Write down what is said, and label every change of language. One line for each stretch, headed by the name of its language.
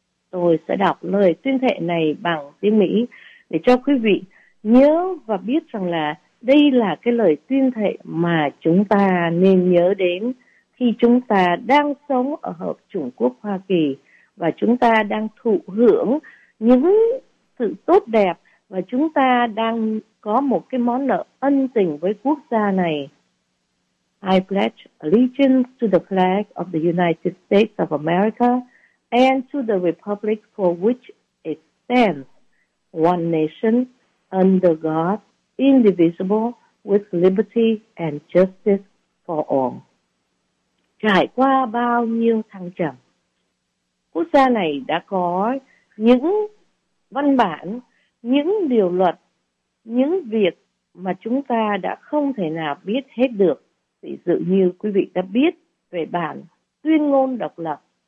Vietnamese: Tôi sẽ đọc lời tuyên thệ này bằng tiếng Mỹ để cho quý vị nhớ và biết rằng là đây là cái lời tuyên thệ mà chúng ta nên nhớ đến khi chúng ta đang sống ở Hợp Chủng Quốc Hoa Kỳ và chúng ta đang thụ hưởng những sự tốt đẹp và chúng ta đang có một cái món nợ ân tình với quốc gia này.
English: I pledge allegiance to the flag of the United States of America and to the republic for which it stands, one nation, under God, indivisible, with liberty and justice for all.
Vietnamese: Trải qua bao nhiêu thăng trầm, quốc gia này đã có những văn bản, những điều luật, những việc mà chúng ta đã không thể nào biết hết được. Ví dụ như quý vị đã biết về bản tuyên ngôn độc lập.